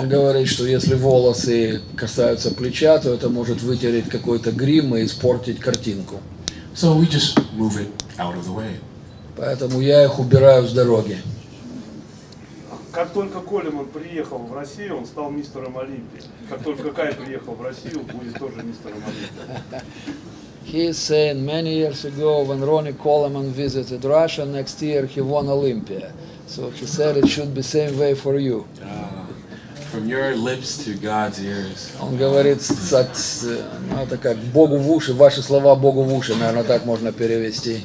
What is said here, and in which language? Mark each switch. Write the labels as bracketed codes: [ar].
[ru] Он говорит, что если волосы касаются плеча, то это может вытереть какой-то грим и испортить картинку. [en] So we just move it out of the way. [ru] Поэтому я их убираю с дороги. Как только Колеман приехал в Россию, он стал мистером Олимпии. Как только Кай приехал в Россию, будет тоже мистером Олимпии. [en] He is saying many years ago, when Ronnie Coleman visited Russia, next year he won Olympia. So he said it should be same way for you. From your lips to God's ears. [ru] Он говорит, это как Богу в уши, ваши слова Богу в уши, наверное, так можно перевести.